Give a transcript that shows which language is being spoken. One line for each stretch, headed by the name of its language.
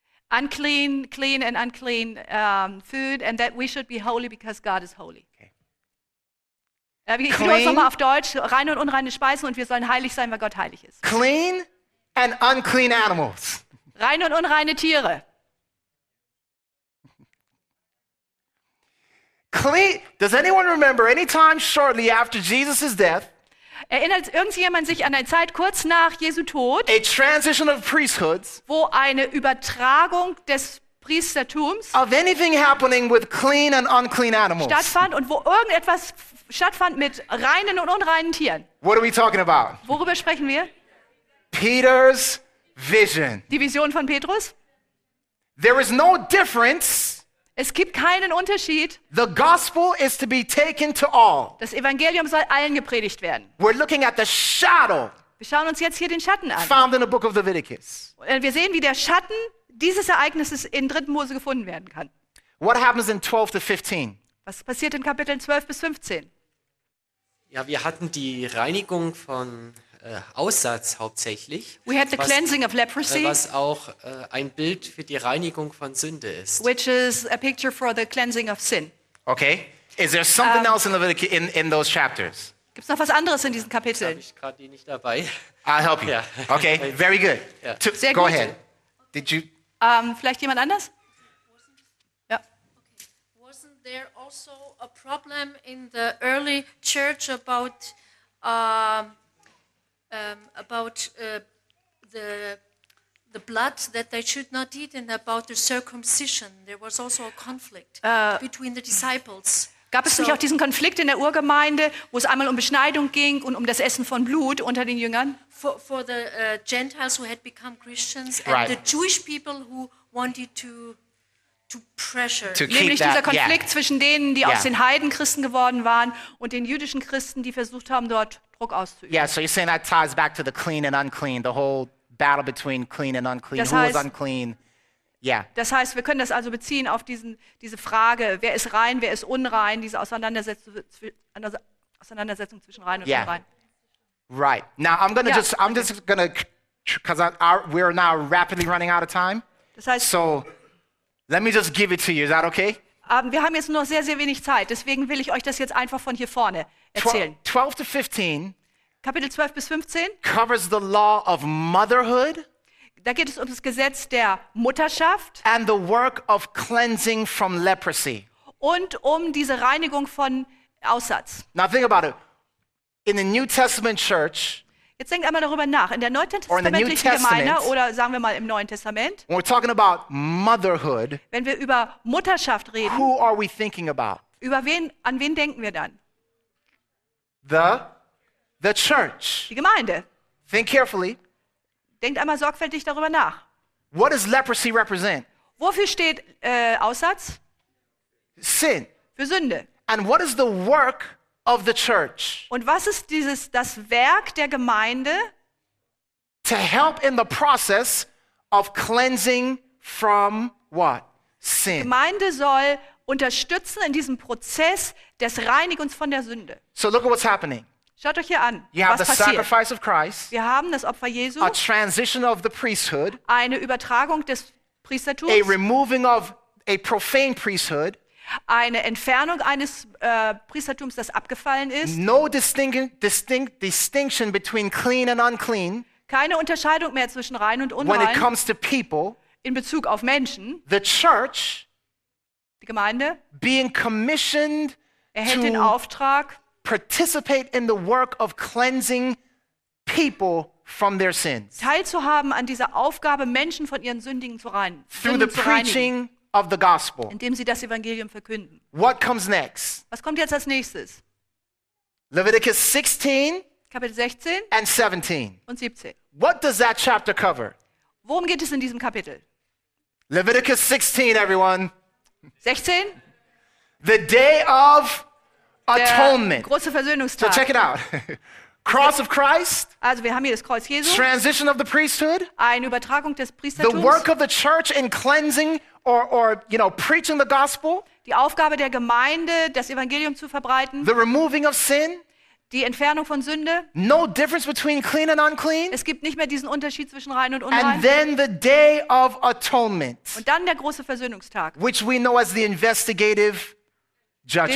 English: Unclean, clean and unclean food and that we should be holy because God is holy.
German: Okay. Ich nehme es nochmal auf Deutsch. Reine und unreine Speisen und wir sollen heilig sein, weil Gott heilig ist.
English: Clean and unclean animals.
German: Reine und unreine Tiere.
English: Clean. Does anyone remember any time shortly after Jesus' death?
German: Erinnert irgendjemand sich an eine Zeit kurz nach Jesu Tod,
English: a transition of priesthoods,
German: wo eine Übertragung des Priestertums
English: of anything happening with clean and unclean animals
German: stattfand und wo irgendetwas stattfand mit reinen und unreinen Tieren?
English: What are we talking about?
German: Worüber sprechen wir?
English: Peter's vision.
German: Die Vision von Petrus.
English: There is no difference.
German: Es gibt keinen Unterschied.
English: The gospel is to be taken to all.
German: Das Evangelium soll allen gepredigt werden.
English: We're looking at the shadow.
German: Wir schauen uns jetzt hier den Schatten an.
English: Found in the book of Leviticus.
German: Wir sehen, wie der Schatten dieses Ereignisses in 3. Mose gefunden werden kann.
English: What happens in 12 to 15?
German: Was passiert in Kapiteln 12 bis 15? Ja, wir hatten die Reinigung von Aussatz hauptsächlich.
English: We had the cleansing of leprosy,
German: was auch ein Bild für die Reinigung von Sünde ist.
English: Which is a picture for the cleansing of sin. Okay. Is there something else in Leviticus in those chapters?
German: Gibt's noch was anderes in diesen Kapiteln? Ich habe gerade die nicht dabei.
English: I'll help you. Yeah. Okay. Very good. Yeah. To,
German: sehr
English: go
German: gut.
English: Ahead. Did you?
German: Vielleicht jemand anders? Ja. Okay.
English: Wasn't there also a problem in the early church about the blood that they should not eat and about the circumcision? There was also a conflict between the disciples.
German: Gab es nicht auch diesen Konflikt in der Urgemeinde, wo es einmal um Beschneidung ging und um das Essen von Blut unter den Jüngern?
English: For the Gentiles who had become Christians and right. The Jewish people who wanted to pressure. To
German: nämlich dieser Konflikt yeah. zwischen denen, die yeah. aus den Heiden Christen geworden waren und den jüdischen Christen, die versucht haben, dort Druck auszuüben.
English: Yeah, so you're saying that ties back to the clean and unclean, the whole battle between clean and unclean,
German: das heißt,
English: who is unclean. Yeah.
German: Das heißt, wir können das also beziehen auf diese Frage, wer ist rein, wer ist unrein, diese Auseinandersetzung zwischen rein und
English: yeah.
German: unrein.
English: Right. Now I'm going to yeah. just, I'm okay. just going to, because we're now rapidly running out of time.
German: Das heißt,
English: so let me just give it to you, is that okay?
German: Wir haben jetzt nur sehr, sehr wenig Zeit, deswegen will ich euch das jetzt einfach von hier vorne erzählen.
English: 12 to 15
German: Kapitel 12 bis 15
English: covers the law of motherhood.
German: Da geht es um das Gesetz der Mutterschaft
English: and the work of cleansing from leprosy.
German: Und um diese Reinigung von Aussatz.
English: Now think about it. In the New Testament church,
German: jetzt denkt einmal darüber nach. In der neutestamentlichen Gemeinde oder sagen wir mal im Neuen Testament,
English: when we're talking about motherhood,
German: wenn wir über Mutterschaft reden,
English: who are we thinking about?
German: Über wen, an wen denken wir dann?
English: The church.
German: Die Gemeinde.
English: Think carefully.
German: Denkt einmal sorgfältig darüber nach.
English: What does leprosy represent?
German: Wofür steht Aussatz?
English: Sin.
German: Für Sünde.
English: And what is the work of the church?
German: Und was ist dieses das Werk der Gemeinde?
English: To help in the process of cleansing from what? Sin.
German: Die Gemeinde soll unterstützen in diesem Prozess des Reinigens von der Sünde.
English: So look at what's happening.
German: Schaut euch hier an,
English: you
German: was
English: have the
German: passiert.
English: Sacrifice of Christ,
German: wir haben das Opfer Jesu,
English: a transition of the priesthood,
German: eine Übertragung des Priestertums,
English: a removing of a profane priesthood,
German: eine Entfernung eines Priestertums, das abgefallen ist,
English: no distinction between clean and unclean,
German: keine Unterscheidung mehr zwischen rein und unrein,
English: when it comes to people,
German: in Bezug auf Menschen,
English: the church,
German: die Gemeinde,
English: being commissioned,
German: erhält den Auftrag,
English: participate in the work of cleansing people from their sins.
German: Teilzuhaben an dieser Aufgabe, Menschen von ihren Sündigen zu reinigen.
English: Through the preaching of the gospel.
German: Indem sie das Evangelium verkünden.
English: What comes next?
German: Was kommt jetzt als nächstes?
English: Leviticus 16,
German: Kapitel 16
English: and 17.
German: Und 17.
English: What does that chapter cover?
German: Worum geht es in diesem Kapitel?
English: Leviticus 16, everyone.
German: 16?
English: The day of Atonement.
German: Große Versöhnungstag.
English: So check it out. Cross of Christ.
German: Also wir haben hier das Kreuz Jesu.
English: Transition of the priesthood.
German: Eine Übertragung des Priestertums.
English: The work of the church in cleansing or you know preaching the gospel.
German: Die Aufgabe der Gemeinde, das Evangelium zu verbreiten.
English: The removing of sin.
German: Die Entfernung von Sünde.
English: No difference between clean and unclean.
German: Es gibt nicht mehr diesen Unterschied zwischen rein und unrein.
English: And then the day of atonement.
German: Und dann der große Versöhnungstag.
English: Which we know as the investigative judgment.